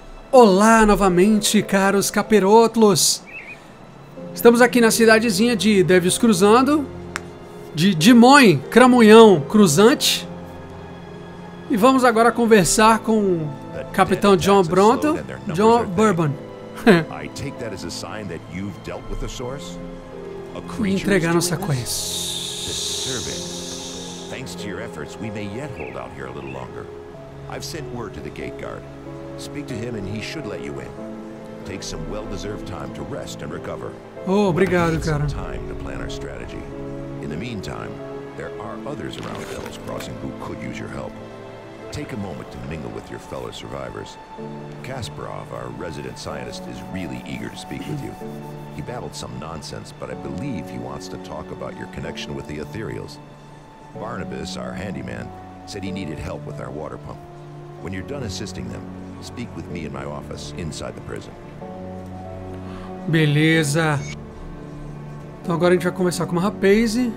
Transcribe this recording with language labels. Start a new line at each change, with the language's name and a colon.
Portuguese: Olá novamente, caros capirotlos. Estamos aqui na cidadezinha de Devils Cruzando. De Dimon, Cramunhão, Cruzante. E vamos agora conversar com o Capitão John Bronto. John Bourbon.
English: I take that as a sign that you've dealt with the source. A creature is doing this. Disturb it. Thanks to your efforts, we may yet hold out here a little longer. I've sent word to the gate guard. Speak to him, and he should let you in. Take some well-deserved time to rest and recover.
Portuguese: Oh, obrigado, cara.
English: Time to plan our strategy. In the meantime, there are others around Devil's Crossing who could use your help. Take a moment to mingle with your fellow survivors. Kasparov, our resident scientist, is really eager to speak with you. He babbled some nonsense, but I believe he wants to talk about your connection with the Ethereals. Barnabas, our handyman, said he needed help with our water pump. When you're done assisting them, speak with me in my office inside the prison.
Portuguese: Beleza. Então agora a gente vai conversar com uma rapaz.